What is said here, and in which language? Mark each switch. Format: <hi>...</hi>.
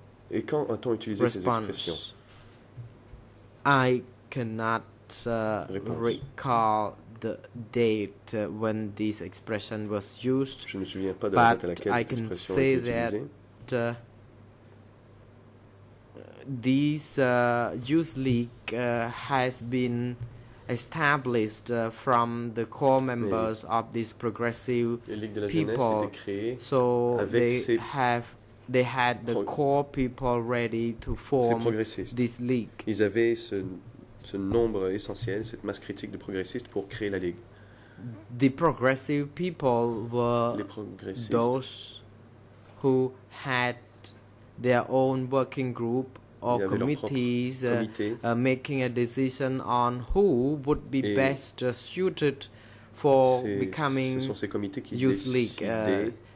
<fr>Et quand a-t-on utilisé ces expressions?</fr> <en>I cannot recall the date when this expression was used.</en> <fr>Je ne me souviens pas de la date à laquelle cette expression a été utilisée.</fr> <en>But I can say that this youth league has been established from the core members of this progressive people, so they had the core people ready to form this league.</en> <fr>Ils avaient ce nombre essentiel, cette masse critique de progressistes pour créer la ligue.</fr> <en>the progressive people were those who had their own working group or committees making a decision on who would be best suited for becoming youth league.</en>